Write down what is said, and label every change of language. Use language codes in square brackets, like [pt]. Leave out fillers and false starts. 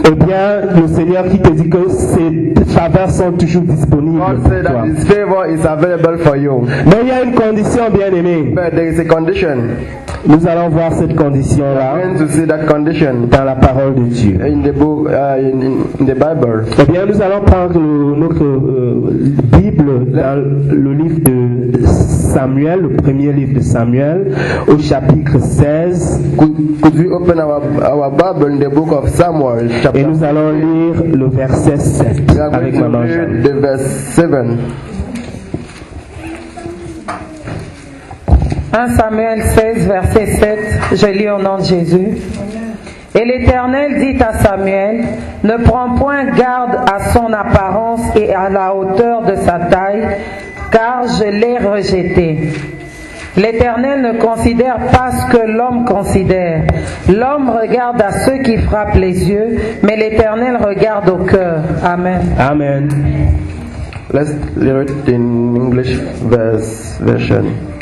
[fr] eh bien, le Seigneur qui te dit que ses faveurs sont toujours disponibles. [en] God said that His favor is available for you. [fr] Mais il y a une condition, bien-aimé. [en] But there is a condition. [fr] Nous allons voir cette condition-là. [en] We're going to see that condition [fr] dans la parole de Dieu. [en] In the book, in the Bible. [fr] Eh bien, nous allons prendre notre Bible dans le livre de Samuel, le premier livre de Samuel, au chapitre 16. [en] Could we open our Bible in the book of Samuel, chapter? [fr] Et nous allons lire le verset 7 avec maman Jeanne. [en] The verse 7. [fr] 1 Samuel 16, verset 7, je lis au nom de Jésus. Et l'Éternel dit à Samuel, ne prends point garde à son apparence et à la hauteur de sa taille, car je l'ai rejeté. L'Éternel ne considère pas ce que l'homme considère. L'homme regarde à ceux qui frappent les yeux, mais l'Éternel regarde au cœur. Amen. Amen. [en] Let's read it in English version.